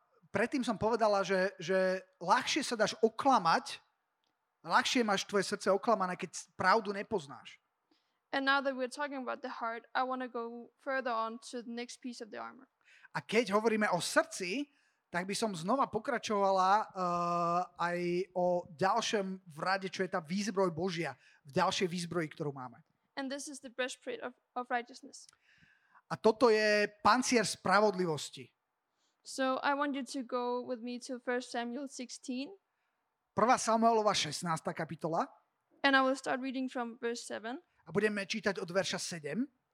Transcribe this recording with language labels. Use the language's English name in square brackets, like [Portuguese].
[Slovak] Predtým som povedala, že ľahšie sa dáš oklamať, ľahšie máš tvoje srdce oklamané, keď pravdu nepoznáš. [English] And now that we're talking about the heart, I want to go further on to the next piece of the armor. [Slovak] A keď hovoríme o srdci, tak by som znova pokračovala aj o ďalšom v rade, čo je tá výzbroj Božia, v ďalšej výzbroji, ktorú máme. [English] And this is the breastplate of righteousness. [Slovak] A toto je pancier spravodlivosti. [English] So I want you to go with me to 1 Samuel 16. [Slovak] 1. Samuelova 16. kapitola. [English] And I will start reading from verse 7. [Slovak] A budeme čítať od verša 7.